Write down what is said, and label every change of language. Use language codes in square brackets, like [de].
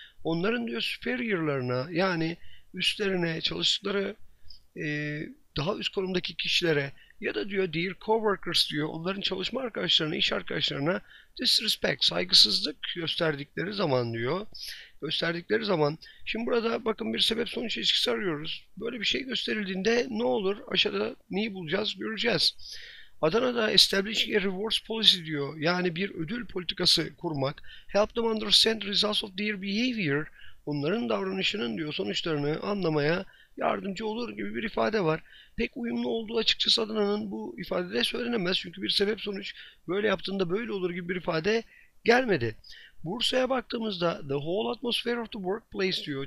[tr] Onların diyor superiorlarına, yani üstlerine, çalıştıkları daha üst konumdaki kişilere ya da diyor [en] their coworkers [tr] diyor, onların çalışma arkadaşlarına, iş arkadaşlarına disrespect, saygısızlık gösterdikleri zaman diyor. Gösterdikleri zaman. Şimdi burada bakın, bir sebep sonuç ilişkisi arıyoruz. Böyle bir şey gösterildiğinde ne olur? Aşağıda neyi bulacağız? Göreceğiz. Adana'da [en] establishing a rewards policy [tr] diyor. Yani bir ödül politikası kurmak. [en] Help them understand results of their behavior. [tr] Onların davranışının diyor sonuçlarını anlamaya yardımcı olur gibi bir ifade var. Pek uyumlu olduğu açıkçası Adana'nın bu ifadede söylenemez. Çünkü bir sebep sonuç böyle yaptığında böyle olur gibi bir ifade gelmedi. Bursa'ya baktığımızda [en] the whole atmosphere of the workplace [tr] diyor.